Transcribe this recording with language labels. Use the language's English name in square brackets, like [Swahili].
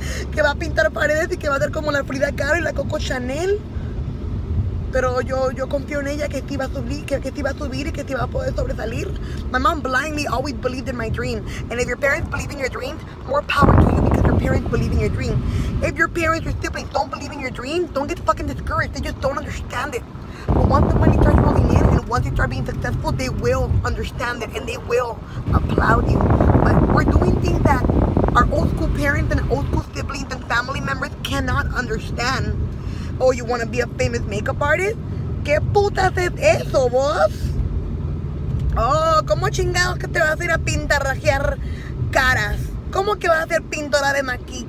[Spanish] Que va a pintar paredes y que va a ser como la Frida Kahlo y la Coco Chanel. Pero yo confío en ella que sí va a subir, que sí va a subir y que sí va a poder sobresalir. [English] My mom blindly always believed in my dream. And if your parents believe in your dreams, more power to you, because your parents believe in your dream. If your parents or siblings don't believe in your dream, don't get fucking discouraged. They just don't understand it. But once the money starts rolling in and once you start being successful, they will understand it and they will applaud you. But we're doing things that our old school parents and old school siblings and family members cannot understand. Oh, you want to be a famous makeup artist? [Spanish] ¿Qué putas es eso, vos? Oh, ¿cómo chingados que te vas a ir a pintarrajear caras? ¿Cómo que vas a ser pintora de maqui?